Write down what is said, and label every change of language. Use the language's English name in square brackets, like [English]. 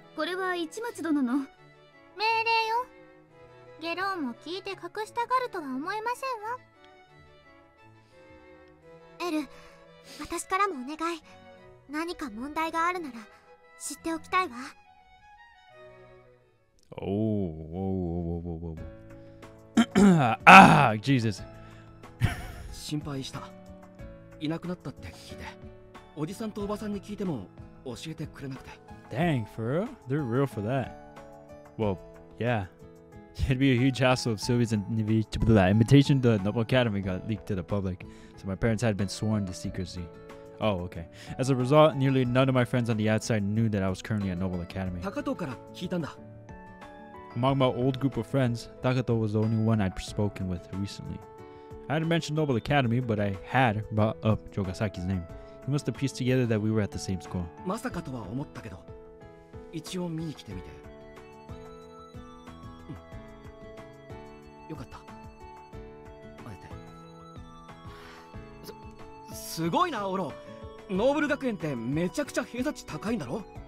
[Japanese] これは市松殿の命令よ。ゲローも聞いて隠したがるとは思えませんわ。エル、私からもお願い。何か問題があるなら知っておきたいわ。おお、おお、おお、おお、おお。 [English] Ah, Jesus. [Japanese] 心配した。いなくなったって聞いて、おじさんとおばさんに聞いても教えてくれなくて。 [English] Dang, for real? They're real for that. Well, yeah. It'd be a huge hassle if Sylvie's invitation to the Noble Academy got leaked to the public, so my parents had been sworn to secrecy. Oh, okay. As a result, nearly none of my friends on the outside knew that I was currently at Noble Academy. [Japanese] Takato から聞いたんだ。 [English] Among my old group of friends, Takato was the only one I'd spoken with recently. I hadn't mentioned Noble Academy, but I had brought up Jogasaki's name. He must have pieced together that we were at the same school. [Japanese] まさかとは思ったけど、一応見に来てみて。よかった。待って。すごいな、オロ。ノーブル学園ってめちゃくちゃ偏差値高いんだろ？